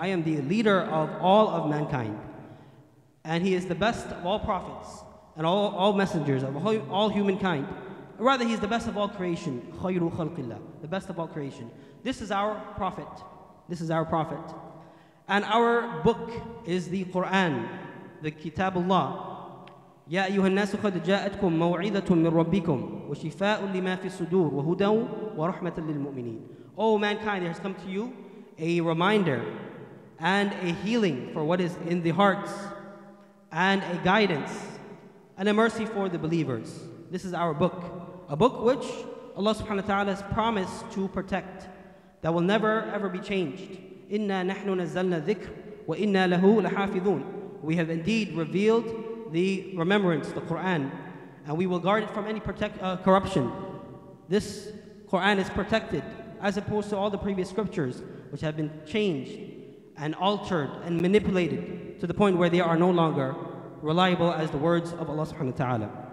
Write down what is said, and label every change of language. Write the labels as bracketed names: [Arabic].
[English] I am the leader of all of mankind. And he is the best of all prophets and all messengers of all humankind. Rather, he is the best of all creation. [Arabic] خَيْرُ خَلْقِ اللَّهِ. [English] The best of all creation. This is our prophet. This is our prophet. And our book is the Qur'an, the Kitabullah. [Arabic] يا أيها الناس قد جاءتكم موعظة من ربكم وشفاء لما في الصدور وهدى ورحمة للمؤمنين. [English] O mankind, there has come to you a reminder and a healing for what is in the hearts and a guidance and a mercy for the believers. This is our book, a book which Allah subhanahu wa ta'ala has promised to protect, that will never ever be changed. [Arabic] إنا نحن نزلنا ذكر وإنا له لحافظون. [English] We have indeed revealed the remembrance, the Qur'an, and we will guard it from any corruption. This Qur'an is protected, as opposed to all the previous scriptures, which have been changed and altered and manipulated to the point where they are no longer reliable as the words of Allah subhanahu wa ta'ala.